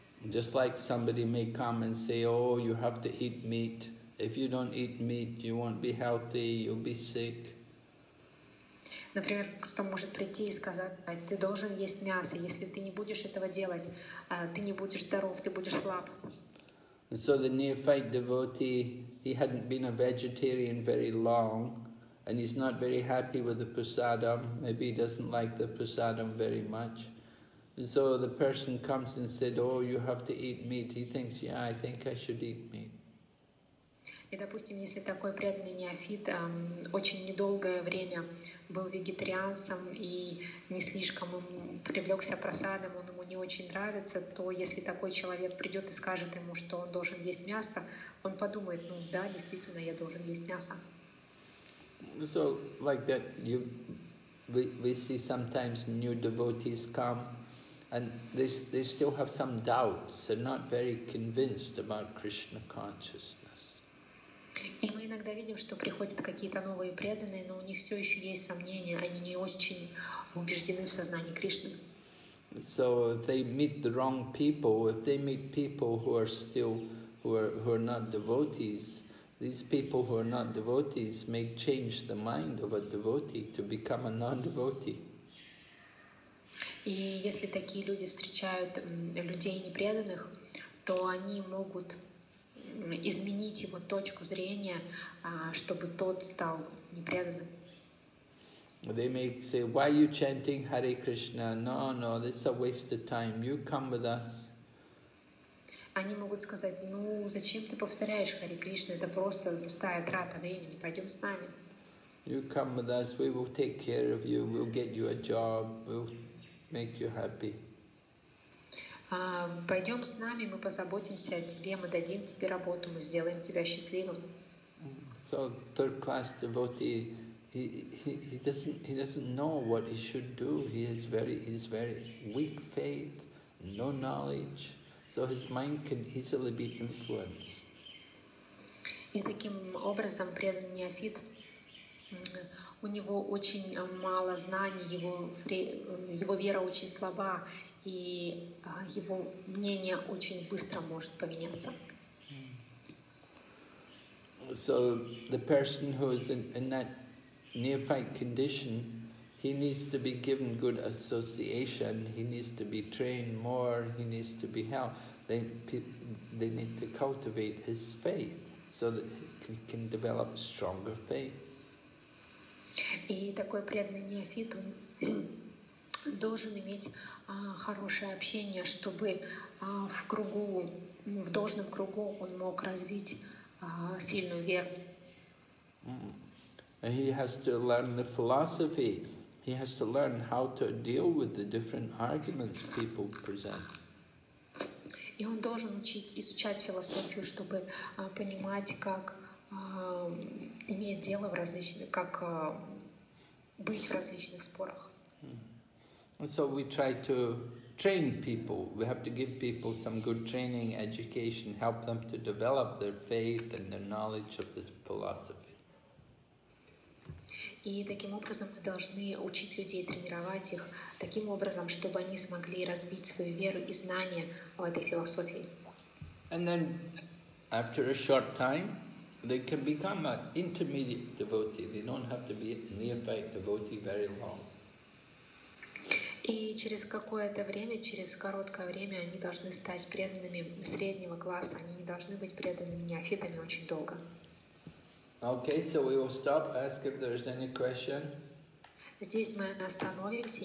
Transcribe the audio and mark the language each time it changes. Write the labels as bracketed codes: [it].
[en] Just like somebody may come and say, oh, you have to eat meat. If you don't eat meat, you won't be healthy, you'll be sick. [ru] Например, кто может прийти и сказать, ты должен есть мясо, если ты не будешь этого делать, ты не будешь здоров, ты будешь слаб. [en] And so the neophyte devotee, he hadn't been a vegetarian very long, and he's not very happy with the prasadam, maybe he doesn't like the prasadam very much. And so the person comes and said, oh, you have to eat meat. He thinks, yeah, I think I should eat meat. [ru] И, допустим, если такой преданный неофит очень недолгое время был вегетарианцем и не слишком привлекся просадом, он ему не очень нравится, то если такой человек придет и скажет ему, что он должен есть мясо, он подумает, ну да, действительно, я должен есть мясо. [en] So, like that, we see sometimes new devotees come, and they still have some doubts, they're not very convinced about Krishna consciousness. [ru] И мы иногда видим, что приходят какие-то новые преданные, но у них все еще есть сомнения, они не очень убеждены в сознании Кришны. [en] So if they meet the wrong people, if they meet people who are still who are not devotees, these people who are not devotees may change the mind of a devotee to become a non-devotee. [ru] И если такие люди встречают людей непреданных, то они могут изменить его точку зрения, чтобы тот стал непреданным. [en] They may say, why are you chanting Hare Krishna? No, no, this is a waste of time. You come with us. [ru] Они могут сказать, ну зачем ты повторяешь Hare Krishna? Это просто пустая трата времени. Пойдем с нами. [en] You come with us, we will take care of you, we'll get you a job, we'll make you happy. [ru] Пойдем с нами, мы позаботимся о тебе, мы дадим тебе работу, мы сделаем тебя счастливым. [en] So third class devotee, he doesn't know what he should do. He's very weak faith, no knowledge, so his mind can easily be influenced. [ru] И таким образом преданный неофит У него очень мало знаний, его вера очень слаба, и его мнение очень быстро может поменяться. [en] So the person who is in that neophyte condition, he needs to be given good association, he needs to be trained more, he needs to be helped. They need to cultivate his faith so that he can develop stronger faith. [ru] И такой преданный неофит, он должен иметь хорошее общение, чтобы в кругу, в должном кругу он мог развить сильную веру. [en] And he has to learn the philosophy. He has to learn how to deal with the different arguments people present. [ru] И он должен изучать философию, чтобы понимать, как иметь дело в различных, как быть в различных спорах. [en] And so we try to train people. We have to give people some good training, education, help them to develop their faith and their knowledge of this philosophy. [ru] И таким образом мы должны учить людей, тренировать их таким образом, чтобы они смогли развить свою веру и знания в этой философии. [en] And then after a short time, they can become an intermediate devotee. They don't have to be a neophyte devotee very long. [ru] И через какое-то время, через короткое время, они должны стать преданными среднего класса. Они не должны быть преданными неофитами очень долго. [en] Okay, so we will stop. Ask if there is any question. [ru] Здесь мы остановимся.